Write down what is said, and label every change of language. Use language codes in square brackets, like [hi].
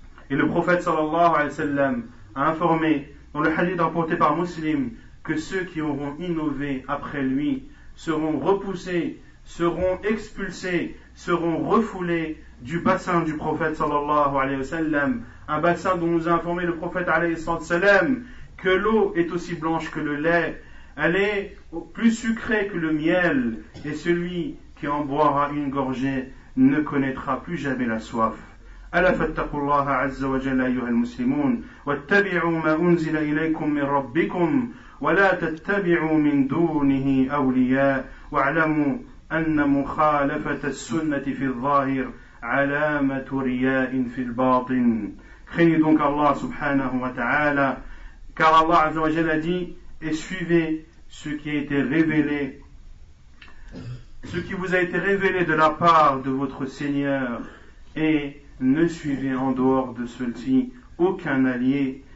[fr] Et le prophète [ar] sallallahu alayhi wa sallam [fr] a informé dans le hadith rapporté par Muslim que ceux qui auront innové après lui seront repoussés, seront expulsés, seront refoulés du bassin du prophète sallallahu alayhi wa sallam, un bassin dont nous a informé le prophète alayhi sallam que l'eau est aussi blanche que le lait, elle est plus sucrée que le miel, et celui qui en boira une gorgée ne connaîtra plus jamais la soif. [ar] ألا فاتقوا الله عز وجل أيها المسلمون واتبعوا ما أنزل إليكم من ربكم ولا تتبعوا من دونه أولياء واعلموا أن مخالفة السنة في الظاهر علامة رياء في الباطن. [fr] Craignez donc Allah [ar] subhanahu wa ta'ala, [fr] car Allah [ar] عز وجل [fr] a dit: et suivez ce qui a été révélé, ce qui vous a été révélé de la part de votre Seigneur, et ne suivez en dehors de celui-ci aucun allié.